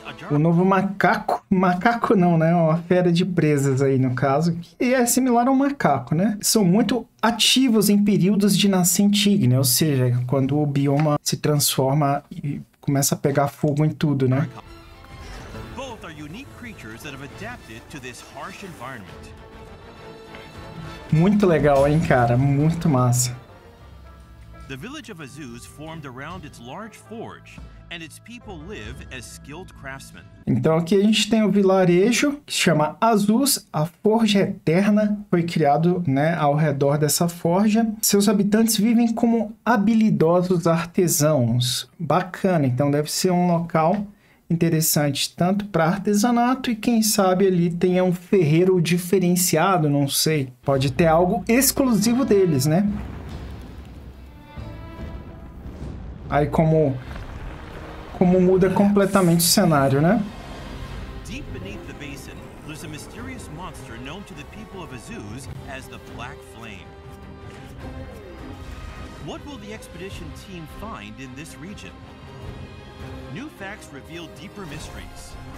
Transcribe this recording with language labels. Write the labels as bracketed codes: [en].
[pt] O novo macaco, uma fera de presas aí no caso, e é similar a um macaco, né? São muito ativos em períodos de nascente ígnea, ou seja, quando o bioma se transforma e começa a pegar fogo em tudo, né? [en] Both are unique creatures that have adapted to this harsh environment. [pt] Muito legal, hein, cara? Muito massa. [en] The village of Azuz formed around its large forge. And its people live as skilled craftsmen. [pt] Então aqui a gente tem o vilarejo que se chama Azuz, a Forja Eterna foi criado, né, ao redor dessa forja. Seus habitantes vivem como habilidosos artesãos. Bacana, então deve ser um local interessante tanto para artesanato e quem sabe ali tenha um ferreiro diferenciado, não sei. Pode ter algo exclusivo deles, né? Aí como muda completamente o cenário, né? [en] Deep beneath the basin, there's a mysterious monster known to the people of Azuz as the Black Flame. What will the expedition team find in this region? New facts reveal deeper mysteries.